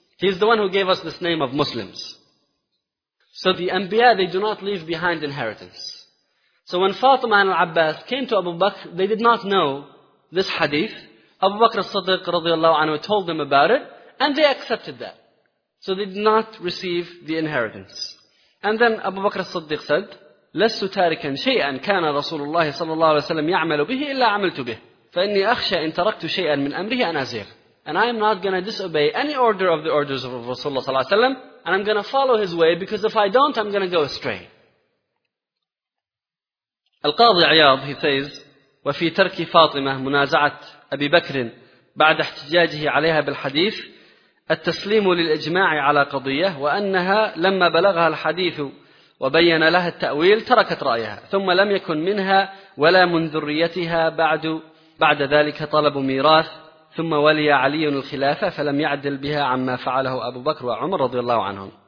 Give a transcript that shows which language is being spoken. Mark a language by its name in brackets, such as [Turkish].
[English] He is the one who gave us this name of Muslims. So the Anbiya, they do not leave behind inheritance. So when Fatima and al-Abbas came to Abu Bakr, they did not know this hadith. Abu Bakr as-Siddiq radiallahu anhu told them about it, and they accepted that. So they did not receive the inheritance. And then Abu Bakr as-Siddiq said, [Arabic] لَسُّ تَارِكًا شَيْئًا كَانَ رَسُولُ اللَّهِ صَلَّى اللَّهُ عَلَيْهِ وَسَلَّمْ يَعْمَلُ بِهِ إِلَّا عَمِلْتُ بِهِ فَإِنِّي أَخْشَى إِنْ تَرَكْتُ شَيْئًا مِنْ أَمْرِهِ أَنْ أَزِيغَ. [English] And I am not going to disobey any order of the orders of Rasulullah sallallahu alaihi wasallam, and I'm going to follow his way, because if I don't, I'm going to go astray. Al-Qadhi Iyad, he says, [Arabic] وَفِي تَرْكِ فَاطِمَةِ مُنَازَعَةِ أَبِي بَكْرٍ بَعْدَ احْتِجَاجِهِ عَلَيْهَا بِالْحَدِيثِ التَّسْلِيمُ لِلْإِجْمَاعِ عَلَى قَضِيَةٍ وَأَنَّهَا لَمَّا بَلَغَهَا الْحَدِيثُ وَبَيَّنَ لَهَا التَّأْوِيلُ تَرَكَتْ رَأْيَهَا ثُمَّ لَمْ يَكُنْ مِنْهَا وَلَا مِنْ ذُرِّيَّتِهَا بَعْدَ ذَلِكَ طَلَبُ مِيرَاثٍ ثم ولي علي الخلافة فلم يعدل بها عما فعله أبو بكر وعمر رضي الله عنهم.